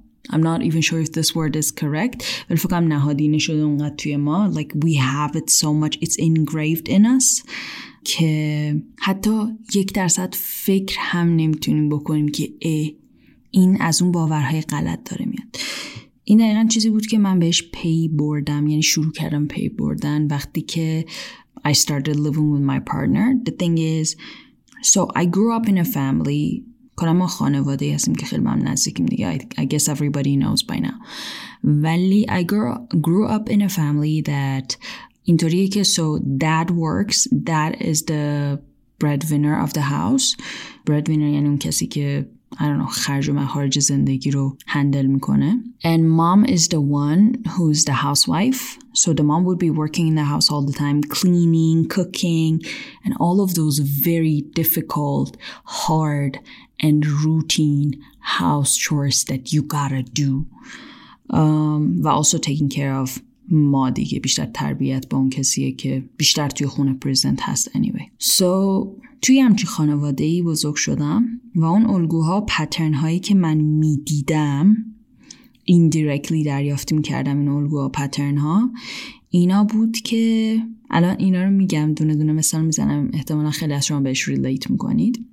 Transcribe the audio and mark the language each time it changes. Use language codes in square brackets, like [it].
[en] I'm not even sure if this word is correct [fa] ولی فکرم نهادینه شده اونقدر توی ما، [en] like we have it so much, it's engraved in us [fa] که حتی 1% فکر هم نمیتونیم بکنیم که این از اون باورهای غلط داره میاد. این دقیقا چیزی بود که من بهش پی بردم، یعنی شروع کردم پی بردن وقتی که [en] I started living with my partner. The thing is, so I grew up in a family. [fa] کنم ما خانواده هستیم که خیلی من نزدیکیم دیگه. [en] I guess everybody knows by now. [fa] ولی [en] I grew up in a family that [fa] اینطوریه که [en] so dad works, dad is the breadwinner of the house. [fa] Breadwinner یعنی اون کسی که خرج و مخارج زندگی رو هندل میکنه. [en] And mom is the one who's the housewife. So the mom would be working in the house all the time, cleaning, cooking, and all of those very difficult, hard, and routine house chores that you gotta do. [fa] و [en] also taking care of [fa] ما دیگه بیشتر تربیت با اون کسیه که بیشتر توی خونه پریزنت هست [en] anyway. So [fa] توی همچین خانواده‌ای بزرگ شدم و اون الگوها پترن هایی که من می دیدم [en] indirectly [fa] دریافتیم کردم این الگوها پترن ها اینا بود که الان اینا رو میگم دونه دونه مثال میزنم احتمالا خیلی از شما بهش ریلیت میکنید.